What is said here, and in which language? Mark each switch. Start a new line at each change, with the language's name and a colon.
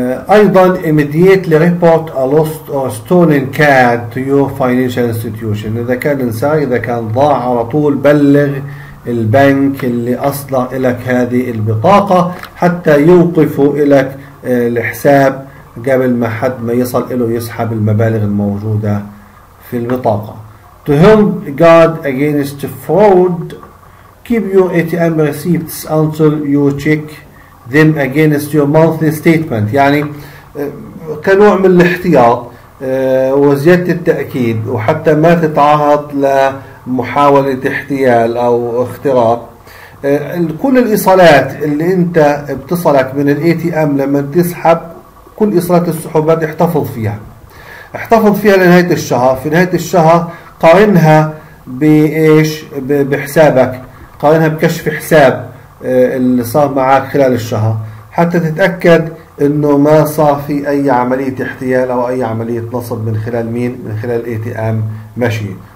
Arabic: ايضا
English: immediately report a lost or stolen card to your financial institution،
Arabic: اذا كان انسان اذا كان ضاع على طول بلغ البنك اللي أصدر لك هذه البطاقة حتى يوقفوا لك الحساب قبل ما حد ما يصل له يسحب المبالغ الموجودة في البطاقة.
English: To help guard against fraud keep your ATM receipts until you check them against your monthly statement،
Arabic: يعني كنوع من الاحتياط وزيادة التأكيد وحتى ما تتعهد ل محاولة احتيال أو اختراق. كل الإيصالات اللي أنت بتصلك من الـ ATM لما تسحب، كل إيصالات السحوبات احتفظ فيها، احتفظ فيها لنهاية الشهر. في نهاية الشهر قارنها بإيش بحسابك، قارنها بكشف حساب اللي صار معك خلال الشهر حتى تتأكد أنه ما صار في أي عملية احتيال أو أي عملية نصب من خلال مين، من خلال الـ ATM ماشين.